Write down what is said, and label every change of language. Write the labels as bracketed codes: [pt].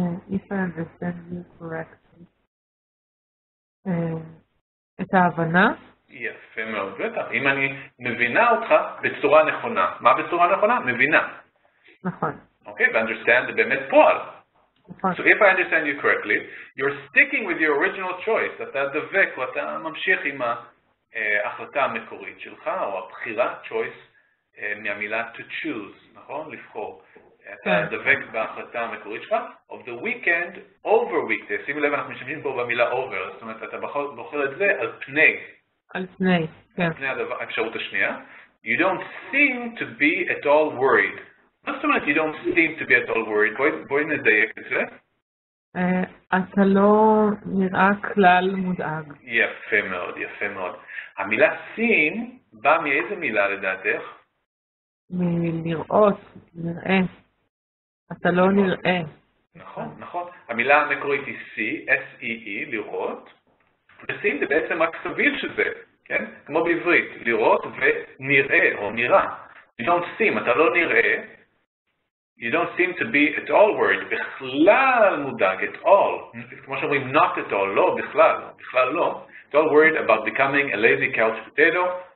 [en] If I understand you correctly. [he] את ההבנה? יפה מאוד, בטח. אם אני מבינה אותך בצורה נכונה. מה בצורה נכונה? מבינה. נכון. אוקיי, ו-understand זה באמת פועל. נכון. [en] So if I understand you correctly, you're sticking with your original choice. [he] אתה דבק או אתה ממשיך עם ההחלטה המקורית שלך או הבחירה, choice, מהמילה [en] to choose, [he] נכון? לבחור. אתה דבק בהחלטה המקורית שלך. [en] Of the weekend, over weekday. [he] שימו לב, אנחנו משמשים פה במילה over. זאת אומרת, אתה בוחר את זה על פני. על פני, כן. על פני הדבר, האפשרות השנייה. [en] You don't seem to be at all worried. [he] מה זאת אומרת, [en] you don't seem to be at all worried? [he] בואי נדייק את זה. אתה לא נראה כלל מודאג. יפה מאוד, יפה מאוד. המילה seem באה מאיזה מילה לדעתך? מלראות, נראה. אתה לא נראה. נכון, נכון. המילה המקורית היא see, S-E-E, לראות. ושים זה בעצם רק סביל שזה, כן? כמו בעברית, לראות ונראה או נראה. [en] You don't seem, [he] אתה לא נראה. [en] You don't seem to be at all worried, [he] בכלל מודאג, [en] at all. [he] כמו שאומרים, [en] not at all, [he] לא, בכלל, בכלל לא. [en] At all worried about becoming a lazy couch potato.